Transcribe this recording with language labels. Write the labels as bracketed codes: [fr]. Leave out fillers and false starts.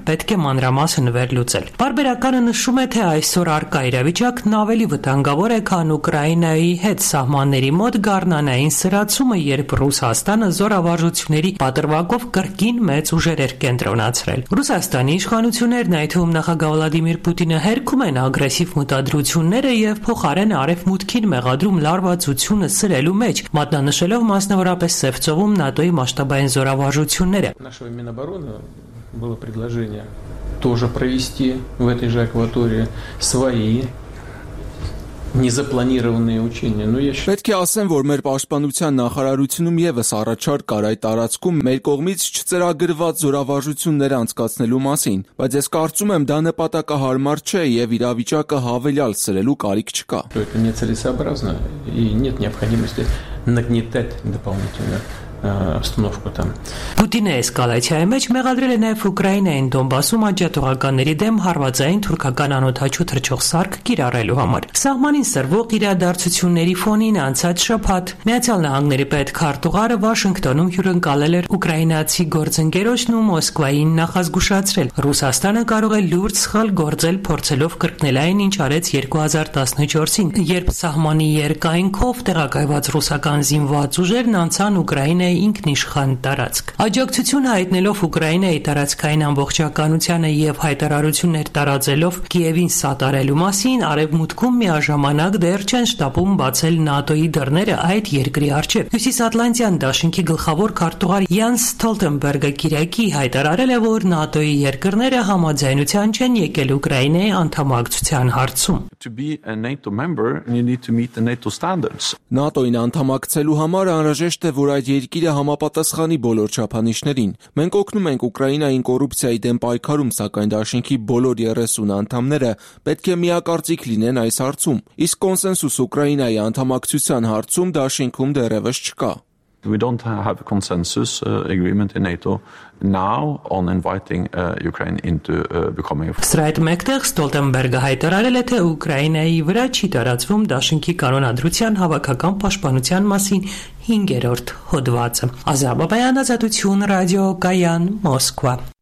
[hy] պետք է մանրամասն վերլուծել։ Պարբերականը նշում է, թե այսօր արկա իրավիճակն ավելի վտանգավոր է, քան Ուկրաինայի հետ սահմանների մոտ գարնանային սրացումը, երբ Ռուսաստանը զորավարժությունների պատրվակով կրկին մեծ ուժեր էր կենտրոնացրել։ Ռուսաստանի իշխանություններն, այդ թվում նախագահ Վլադիմիր Պուտինը, հերքում են ագրեսիվ մտադրությունները և փոխարեն արևմուտքին մեղադրում լարվածությունը սրելու մեջ, մատնանշելով մասնավորապես Սևծովում ՆԱՏՕ-ի մասշտաբային զորավարժությունները։ [ru] Նաշովի մինաբարոնը было предложение тоже провести в этой же акватории свои незапланированные учения. Но я считаю, [hy] պետք է ասեմ, որ մեր պաշտպանության նախարարությունում եւս առաջար կար այդ տարածքում մեր կողմից չծրագրված զորավարժություններ անցկացնելու մասին, բայց ես կարծում եմ, դա նպատակահարմար չէ եւ իրավիճակը հավելյալ սրելու կարիք չկա։ [ru] Это нецелесообразно и нет необходимости нагнетать дополнительно обстановку там. [hy] Պուտինը էսկալացիայի մեջ մեղադրել է նաև Ուկրաինային Դոնբասում աջատողականների դեմ հարվածային թուրքական անօթաչու թռչող սարք կիրառելու համար։ Սահմանին սրվող իրադարձությունների ֆոնին անցած շաբաթ Միացյալ Նահանգների պետ քարտուղարը Վաշինգտոնում հյուրընկալել էր ուկրաինացի գործընկերոջն ու Մոսկվային նախազգուշացրել. Ռուսաստանը կարող է լուրջ սխալ գործել, փորձելով կրկնել այն, ինչ արեց 2014-ին, երբ սահմանի երկայնքով տեղակայված ռուսական զինվաճուժերն անցան Ուկրաինայի ինքնիշխան տարածք։ Աջակցությունը հայտնելով Ուկրաինայի տարածքային ամբողջականությանը և հայտարարություններ տարածելով Կիևին սատարելու մասին, Արևմուտքում միաժամանակ դեռ չեն շտապում բացել ՆԱՏՕ-ի դռները այդ երկրի առջև։ Հյուսիսատլանտյան դաշինքի գլխավոր քարտուղար Յանս Ստոլտենբերգը Կիրակի հայտարարել է, որ ՆԱՏՕ-ի երկրները համաձայնության չեն եկել Ուկրաինայի անդամակցության հարցում։ [en] To be a NATO member, you need to meet the NATO standards. [hy] ՆԱՏՕ-ին անդամակցելու համար անհրաժեշտ է, որ այդ երկիրը համապատասխանի բոլոր չափանիշներին։ Մենք օգնում ենք Ուկրաինային կոռուպցիայի դեմ պայքարում, սակայն դաշինքի բոլոր 30 անդամները պետք է միակարծիք լինեն այս հարցում։ Իսկ կոնսենսուս Ուկրաինայի անդամակցության հարցում դաշինքում դեռևս չկա։ [en] We don't have a consensus agreement in NATO now on inviting Ukraine into becoming a member. [hy] Սրայդ մեկտեղ Ստոլտենբերգը հայտարարել է, թե Ուկրաինայի վրա չի տարածվում դաշինքի կանոնադրության հավաքական պաշտպանության մասին 5-րդ հոդվածը։ Ազա Բաբայան, Ազատություն, Ռադիո Կայան, Մոսկվա։